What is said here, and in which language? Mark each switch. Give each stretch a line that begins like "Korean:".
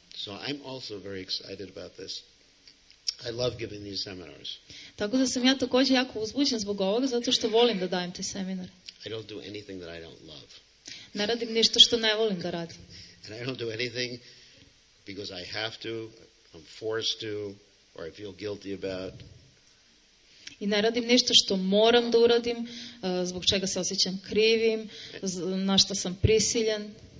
English: So I'm also very excited about this. I love giving these seminars.
Serbian: Tako da sam ja takođe jako uzbuđen zbog ovoga zato što volim da dajem te seminare.
English: I don't do anything that I don't love.
Serbian: Ne radim ništa što ne volim da radim.
English: And I don't do anything because I have to, I'm forced to, or I feel guilty about.
Serbian: I ne radim ništa što moram da uradim, zbog čega se osjećam krivim, na što sam prisiljen.